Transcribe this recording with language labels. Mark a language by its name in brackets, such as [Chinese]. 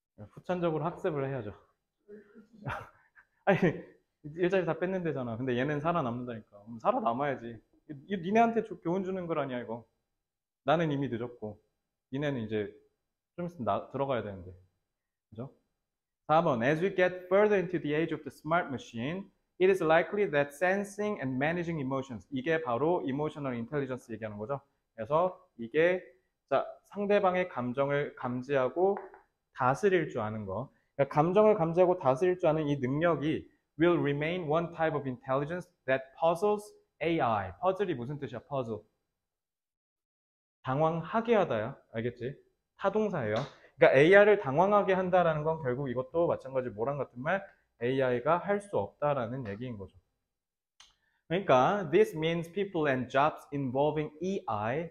[Korean] 후천적으로 학습을 해야죠. 아니, 일자리 다 뺐는데잖아. 근데 얘는 살아남는다니까. 살아남아야지. 니네한테 교훈 주는 거 아니야, 이거. 나는 이미 늦었고. 니네는 이제 좀 있으면 들어가야 되는데. 그죠? 4번. [English] As we get further into the age of the smart machine, it is likely that sensing and managing emotions. [Korean] 이게 바로 emotional intelligence 얘기하는 거죠. 그래서 이게, 자, 상대방의 감정을 감지하고 다스릴 줄 아는 거. 그러니까 감정을 감지하고 다스릴 줄 아는 이 능력이 [English] will remain one type of intelligence that puzzles AI. [Korean] 퍼즐이 무슨 뜻이야? 퍼즐. 당황하게 하다야. 알겠지? 타동사예요. 그러니까 AI를 당황하게 한다라는 건 결국 이것도 마찬가지 모란 같은 말, AI가 할수 없다라는 얘기인 거죠. 그러니까 [English] this means people and jobs involving AI.